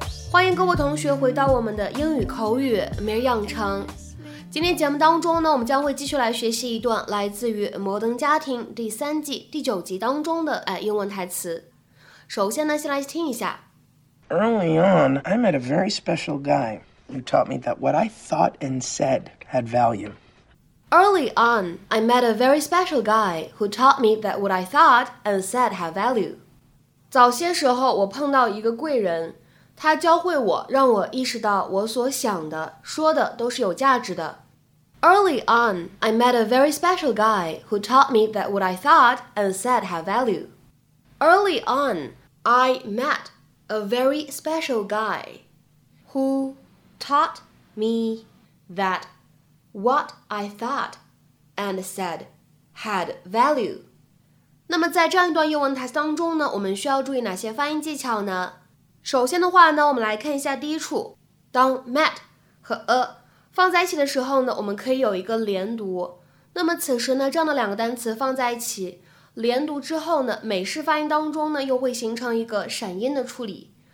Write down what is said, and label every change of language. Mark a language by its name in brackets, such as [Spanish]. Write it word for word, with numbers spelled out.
[Chinese] 欢迎各位同学回到我们的英语口语每日养成。今天节目当中呢，我们将会继续来学习一段来自于《摩登家庭》第三季第九集当中的哎英文台词。首先呢，先来听一下。 [English] Early on, I met a very special guy who taught me that what I thought and said had value. Early on, I met a very special guy who taught me that what I thought and said had value. [Chinese] 早些时候，我碰到一个贵人，他教会我，让我意识到我所想的、说的都是有价值的。 [English] Early on, I met a very special guy who taught me that what I thought and said had value. Early on, I met... A very special guy who taught me that what I thought and said had value. [Chinese] 那么在这样一段英文台词当中呢，我们需要注意哪些发音技巧呢？首先的话呢，我们来看一下第一处，当 met 和 a 放在一起的时候呢，我们可以有一个连读。那么此时呢，这样的两个单词放在一起。连读之后呢，美式发音当中呢，又会形成一个闪音的处理。